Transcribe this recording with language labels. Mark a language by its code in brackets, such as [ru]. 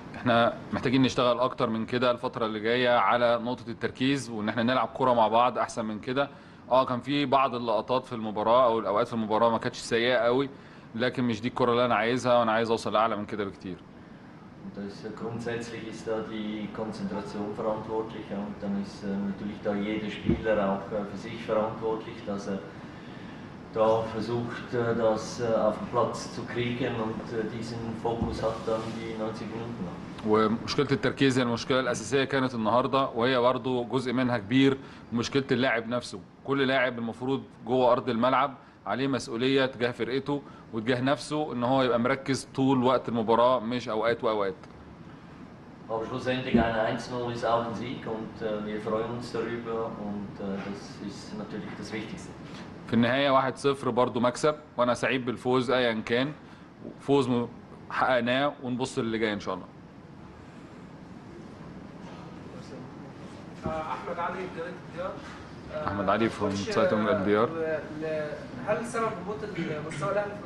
[ar] احنا محتاجين نشتغل اكتر من كده الفتره اللي جايه على نقطه التركيز وان احنا نلعب كوره مع بعض احسن من كده. كان في بعض اللقطات في المباراه او الاوقات في المباراه ما كانتش سيئه قوي، لكن مش دي الكوره اللي انا عايزها، وانا عايز اوصل لاعلى من كده بكتير. [de] Das grundsätzlich ist da die Konzentration verantwortlich und dann ist natürlich da jeder Spieler auch für sich verantwortlich, dass er da versucht, das auf den Platz zu kriegen und diesen Fokus hat dann die 90 Minuten. [ar] ومشكلة التركيز هي المشكلة الأساسية كانت النهاردة، وهي برضه جزء منها كبير مشكلة اللاعب نفسه. كل لاعب المفروض جوه أرض الملعب عليه مسؤولية تجاه فرقته وتجاه نفسه إن هو يبقى مركز طول وقت المباراة مش أوقات وأوقات. [de] Aber schlussendlich ein 1-0 ist auch ein Sieg und wir freuen uns darüber und das ist natürlich das Wichtigste. [ar] في النهاية 1-0 برضو مكسب، وأنا سعيد بالفوز أيا كان، فوز حققناه ونبص للي جاي إن شاء الله. أحمد علي في جريدة الديار. أحمد علي في سايت جريدة الديار. هل سبب هبوط مستوى الأهلي في